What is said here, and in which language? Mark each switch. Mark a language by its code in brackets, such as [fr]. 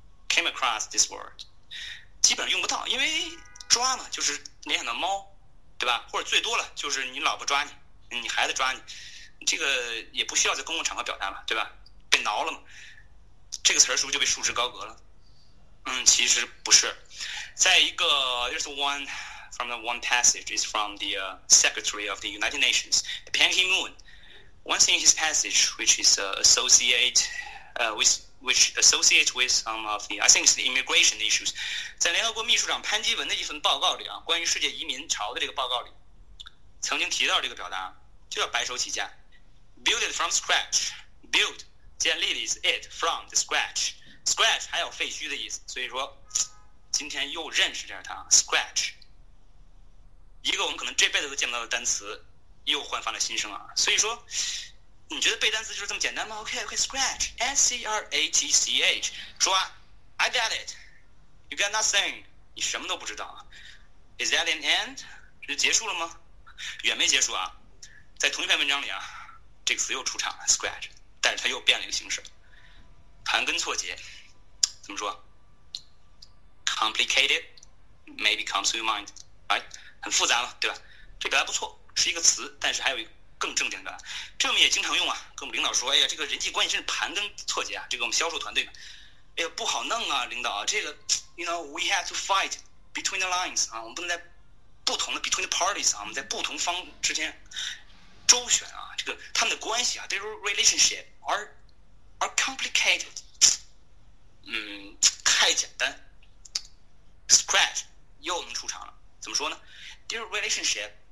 [en] Came across this word， [zh] 基本上用不到，因为抓嘛，就是联想到猫，对吧？或者最多了，就是你老婆抓你，你孩子抓你，这个也不需要在公共场合表达嘛，对吧？被挠了嘛，这个词儿是不是就被束之高阁了？嗯，其实不是。 [en] 再一个 ，there's one from the one passage is from the Secretary of the United Nations, Ban Ki-moon. Once in his passage, which is associates with some of the, I think it's the immigration issues. [zh] 在联合国秘书长潘基文的一份报告里啊，关于世界移民潮的这个报告里，曾经提到这个表达，就叫白手起家 ， [en] build it from scratch. [zh] Build 建立的意思 ， [en] it from the scratch. [zh] Scratch 还有废墟的意思，所以说今天又认识点它 ，scratch， 一个我们可能这辈子都见不到的单词，又焕发了新生啊。所以说。你觉得背单词就是这么简单吗 [en] ？OK, scratch, S-C-R-A-T-C-H, 抓 ，I got it. You got nothing. [zh] 你什么都不知道啊 ？ [en] Is that an end? [zh] 是结束了吗？远没结束啊。在同一篇文章里啊，这个词又出场了 ，scratch， 但是它又变了一个形式，盘根错节。怎么说 [en] ？Complicated, maybe comes to your mind, right？ [zh] 很复杂嘛，对吧？这表达不错，是一个词，但是还有一个。更正经的，这我们也经常用啊，跟我们领导说，哎呀，这个人际关系真是盘根错节啊，这个我们销售团队，哎呀，不好弄啊，领导，这个 ， [en] you know we have to fight between the lines [zh] 啊，我们不能在不同的 [en] between the parties [zh] 啊，我们在不同方之间周旋啊，这个他们的关系啊 ， [en] their relationship are complicated， [zh] 嗯，太简单 ，scratch 又能出场了，怎么说呢 ？ [en] their relationship。